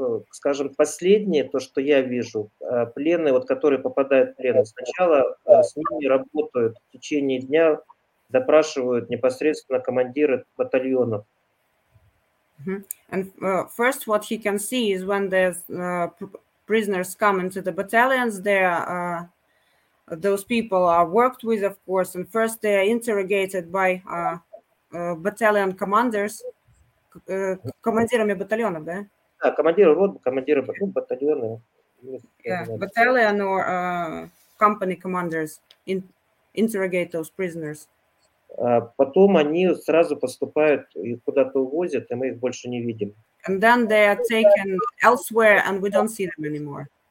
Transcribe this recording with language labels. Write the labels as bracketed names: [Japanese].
[Russian] Скажем, последнее, то, что я вижу, пленные, вот, которые попадают в плен, сначала с ними работают в течение дня, допрашивают непосредственно командиры батальонов. [English] And first, what he can see is when there's prisoners come into the battalions, there those people are worked with, of course, and first they are interrogated by battalion commanders, [Russian] командирами батальонов, да? Да, командиры роты, командиры батальона. [English] Yeah, battalion or company commanders interrogate those prisoners. [Russian] Потом они сразу поступают, их куда-то увозят, и мы их больше не видим. [English] And then they are taken elsewhere, and we don't see them anymore.